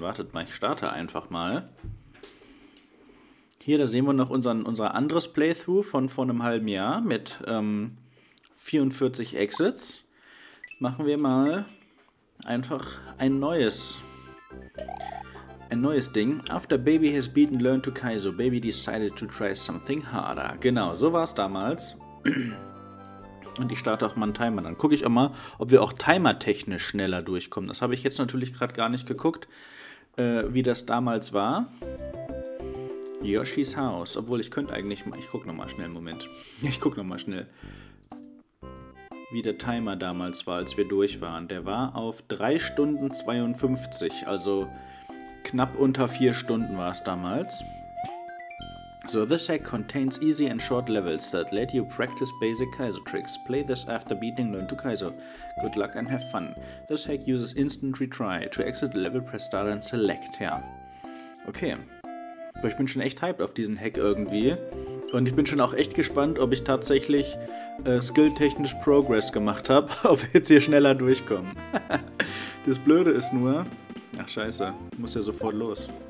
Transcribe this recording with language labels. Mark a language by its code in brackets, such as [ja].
[de] Wartet mal, ich starte einfach mal. Hier, da sehen wir noch unser anderes Playthrough von vor einem halben Jahr mit 44 Exits. Machen wir mal einfach ein neues Ding. [en] After Baby has beaten Learn to Kaizo, Baby decided to try something harder. [de] Genau, so war es damals. Und ich starte auch mal einen Timer. Dann gucke ich auch mal, ob wir auch timertechnisch schneller durchkommen. Das habe ich jetzt natürlich gerade gar nicht geguckt, wie das damals war. Yoshi's House. Obwohl, ich könnte eigentlich mal. Ich gucke nochmal schnell, Moment. Ich gucke nochmal schnell, wie der Timer damals war, als wir durch waren. Der war auf 3 Stunden 52, also knapp unter 4 Stunden war es damals. [en] So, this hack contains easy and short levels that let you practice basic Kaizo tricks. Play this after beating Learn to Kaizo. Good luck and have fun. This hack uses instant retry. To exit a level, press start and select. [de] Ja. Okay. Aber ich bin schon echt hyped auf diesen Hack irgendwie. Und ich bin schon auch echt gespannt, ob ich tatsächlich skilltechnisch Progress gemacht habe. Ob wir jetzt hier schneller durchkommen. Das Blöde ist nur. Ach, scheiße. Muss ja sofort los.